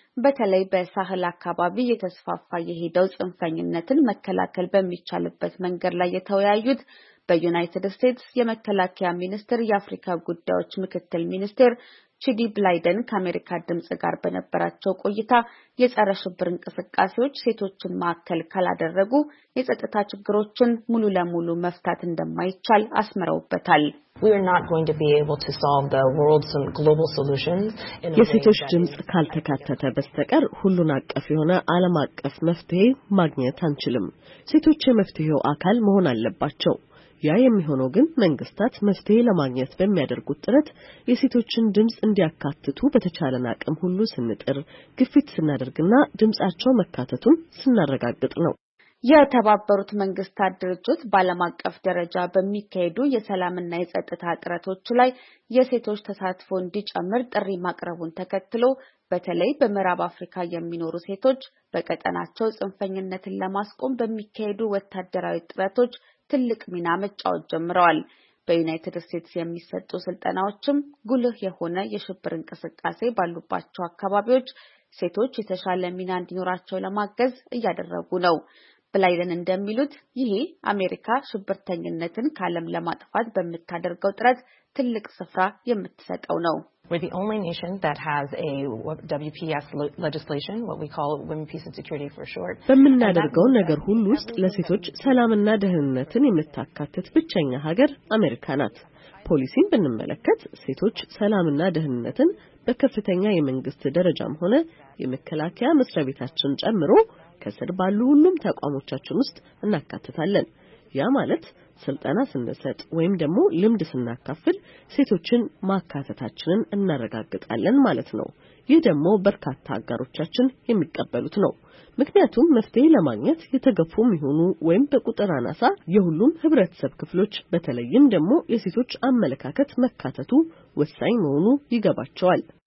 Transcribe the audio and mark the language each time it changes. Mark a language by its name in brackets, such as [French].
[Amharic] በተለይ በሳህል አካባቢ የተስፋፋ የሄደው ጽንፈኝነትን መከላከል በሚቻልበት መንገድ ላይ የተወያዩት በዩናይትድ ስቴትስ የመከላከያ ሚኒስትር የአፍሪካ ጉዳዮች ምክትል ሚኒስትር ቺዲ ብላይደን ከአሜሪካ ድምጽ ጋር በነበራቸው ቆይታ የጸረ ሽብር እንቅስቃሴዎች ሴቶችን ማዕከል ካላደረጉ የጸጥታ ችግሮችን ሙሉ ለሙሉ መፍታት እንደማይቻል አስመረውበታል። [English] We are not going to be able to solve the world's and global solutions in a [Amharic] የሴቶች ድምጽ ካልተካተተ በስተቀር ሁሉን አቀፍ የሆነ ዓለም አቀፍ መፍትሄ ማግኘት አንችልም። ሴቶች የመፍትሄው አካል መሆን አለባቸው። ያ የሚሆነው ግን መንግስታት መፍትሄ ለማግኘት በሚያደርጉት ጥረት የሴቶችን ድምጽ እንዲያካትቱ በተቻለና አቅም ሁሉ ስንጥር ግፊት ስናደርግና ድምጻቸው መካተቱን ስናረጋግጥ ነው። የተባበሩት መንግስታት ድርጅት በዓለም አቀፍ ደረጃ በሚካሄዱ የሰላምና የጸጥታ ጥረቶች ላይ የሴቶች ተሳትፎ እንዲጨምር ጥሪ ማቅረቡን ተከትሎ በተለይ በምዕራብ አፍሪካ የሚኖሩ ሴቶች በቀጠናቸው ጽንፈኝነትን ለማስቆም በሚካሄዱ ወታደራዊ ጥረቶች ትልቅ ሚና መጫወት ጀምረዋል። በዩናይትድ ስቴትስ የሚሰጡ ስልጠናዎችም ጉልህ የሆነ የሽብር እንቅስቃሴ ባሉባቸው አካባቢዎች ሴቶች የተሻለ ሚና እንዲኖራቸው ለማገዝ እያደረጉ ነው። ብላይደን እንደሚሉት ይሄ አሜሪካ ሽብርተኝነትን ካለም ለማጥፋት በሚታደርገው ጥረት ትልቅ ስፍራ የምትሰጠው ነው። [English] We're the only nation that has a WPS legislation, what we call Women, Peace and Security for short. [Amharic] በምናደርገው ነገር ሁሉ ውስጥ ለሴቶች ሰላምና ደህንነትን የምታካትት ብቸኛ ሀገር አሜሪካ ናት። ፖሊሲን ብንመለከት ሴቶች ሰላምና ደህንነትን በከፍተኛ የመንግስት ደረጃም ሆነ የመከላከያ መስሪያ ቤታችን ጨምሮ ከስር ባሉ ሁሉም ተቋሞቻችን ውስጥ እናካትታለን። ያ ማለት ስልጠና ስንሰጥ ወይም ደግሞ ልምድ ስናካፍል ሴቶችን ማካተታችንን እናረጋግጣለን ማለት ነው። ይህ ደግሞ በርካታ አጋሮቻችን የሚቀበሉት ነው። ምክንያቱም መፍትሄ ለማግኘት የተገፉም ይሆኑ ወይም በቁጥር አናሳ የሁሉም ህብረተሰብ ክፍሎች በተለይም ደግሞ የሴቶች አመለካከት መካተቱ ወሳኝ መሆኑ ይገባቸዋል።